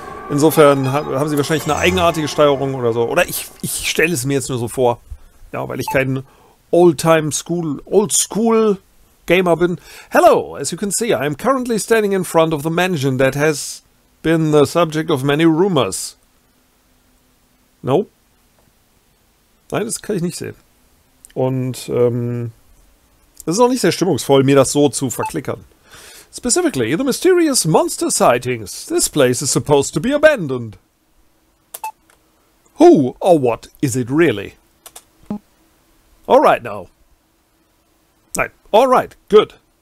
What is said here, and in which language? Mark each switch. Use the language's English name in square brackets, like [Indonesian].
[German] Insofern haben sie wahrscheinlich eine eigenartige Steuerung oder so. Oder ich stelle es mir jetzt nur so vor. Ja, weil ich kein Old-School Gamer bin. [English] Hello, as you can see, I am currently standing in front of the mansion that has been the subject of many rumors. [German] Nope. Nein, das kann ich nicht sehen. Und, es ist auch nicht sehr stimmungsvoll, mir das so zu verklickern. [English] Specifically, the mysterious monster sightings. This place is supposed to be abandoned. Who or what is it really? Alright now. [German] Nein. [English] Alright, good.